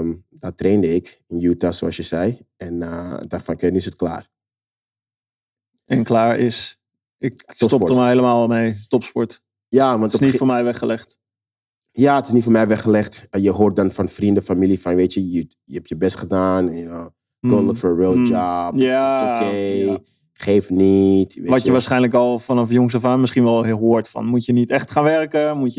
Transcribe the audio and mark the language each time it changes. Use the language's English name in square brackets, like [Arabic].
[Dutch] Daar trainde ik, in Utah zoals je zei. En dacht van oké, nu is het klaar. En klaar is? Ik stopte me helemaal mee, topsport. Ja, want het is niet voor mij weggelegd. Ja, het is niet voor mij weggelegd. Je hoort dan van vrienden, familie, van weet je, je hebt je best gedaan. [English] You know, go look for a real job. [Dutch] Ja. [English] It's okay. [Dutch] Ja. Geef niet. Weet wat je waarschijnlijk al vanaf jongs af aan misschien wel hoort. Van, moet je niet echt gaan werken?